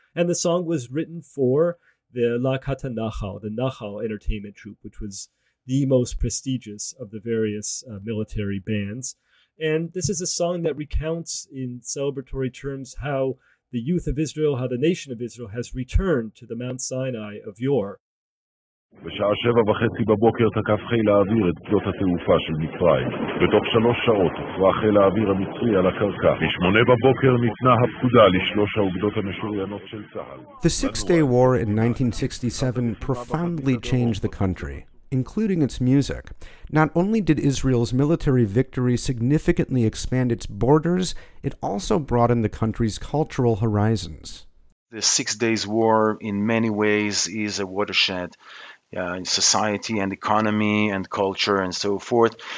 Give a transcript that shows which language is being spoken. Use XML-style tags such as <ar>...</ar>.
<en>And the song was written for the Lakat HaNachal, the Nachal Entertainment Troupe, which was the most prestigious of the various military bands. And this is a song that recounts in celebratory terms how the youth of Israel, how the nation of Israel has returned to the Mount Sinai of yore.</en> <he>בשעה 7:30 בבוקר תקף חיל האוויר את גדות התעופה של מצרים. בתוך 3 שעות הופרה חיל האוויר המצרי על הקרקע. ב-8 בבוקר ניתנה הפקודה לשלוש האוגדות המשוריינות של צהל.</he> <en>The Six-Day War in 1967 profoundly changed the country, including its music. Not only did Israel's military victory significantly expand its borders, it also broadened the country's cultural horizons. The Six-Day War, in many ways, is a watershed in society and economy and culture and so forth.</en>